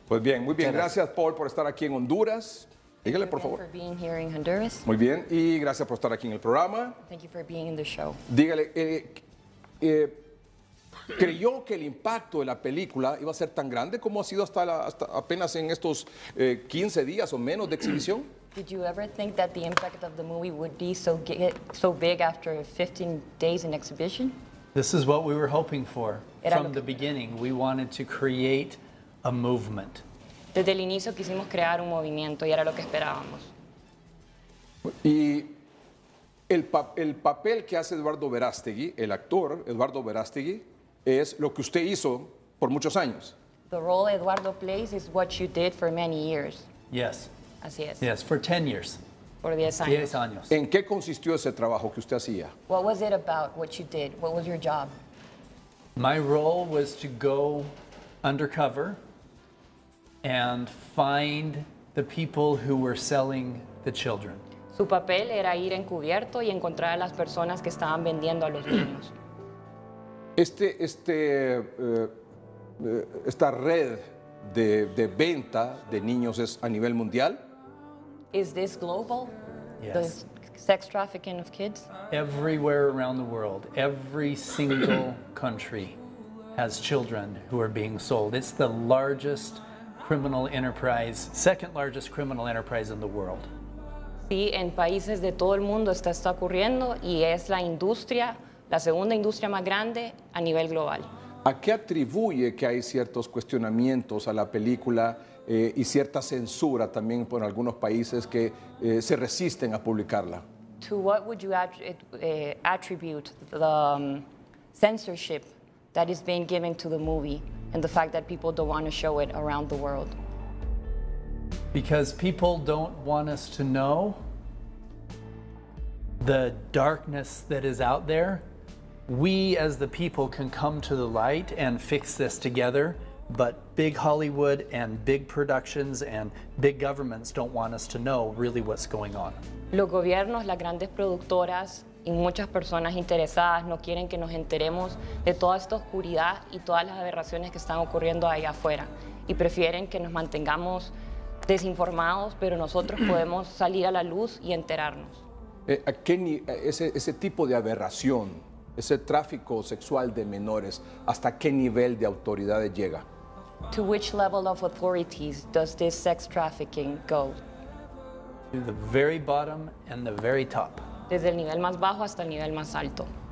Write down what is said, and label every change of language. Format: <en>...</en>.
<es>Pues bien, muy bien. Gracias, Paul, por estar aquí en Honduras. Dígale, por favor. Muy bien, y gracias por estar aquí en el programa.</es> <en>Thank you for being in the show.</en> <es>Dígale, ¿creyó que el impacto de la película iba a ser tan grande como ha sido hasta apenas en estos 15 días o menos de exhibición?</es> <en>Did you ever think that the impact of the movie would be so big after 15 days in exhibition? This is what we were hoping for from the beginning. We wanted to create a movement.</en> <es>Desde el inicio quisimos crear un movimiento y era lo que esperábamos. Y el papel que hace Eduardo Verástegui, el actor Eduardo Verástegui, es lo que usted hizo por muchos años.</es> <en>The role Eduardo plays is what you did for many years. Yes.</en> <es>Así es.</es> <en>Yes, for 10 years.</en> <es>Por 10 años. 10 años. ¿En qué consistió ese trabajo que usted hacía?</es> <en>What was it about, what you did? What was your job? My role was to go undercover and find the people who were selling the children.</en> <es>Su papel era ir encubierto y encontrar a las personas que estaban vendiendo a los niños. Esta red de venta de niños es a nivel mundial.</es> <en>Is this global? Yes. The sex trafficking of kids? Everywhere around the world, every single country has children who are being sold. It's the largest criminal enterprise, second largest criminal enterprise in the world.</en> <es>Sí, en países de todo el mundo está ocurriendo y es la industria, la segunda industria más grande a nivel global. ¿A qué atribuye que hay ciertos cuestionamientos a la película y cierta censura también por algunos países que se resisten a publicarla?</es> <en>To what would you attribute the censorship that is being given to the movie and the fact that people don't want to show it around the world? Because people don't want us to know the darkness that is out there. We as the people can come to the light and fix this together. But big Hollywood and big productions and big governments don't want us to know really what's going on.</en> <es>Los gobiernos, las grandes productoras y muchas personas interesadas no quieren que nos enteremos de toda esta oscuridad y todas las aberraciones que están ocurriendo ahí afuera. Y prefieren que nos mantengamos desinformados, pero nosotros podemos salir a la luz y enterarnos. Ese tipo de aberración, ese tráfico sexual de menores, ¿hasta qué nivel de autoridades llega?</es> <en>To which level of authorities does this sex trafficking go? To the very bottom and the very top.</en> <es>Desde el nivel más bajo hasta el nivel más alto.</es>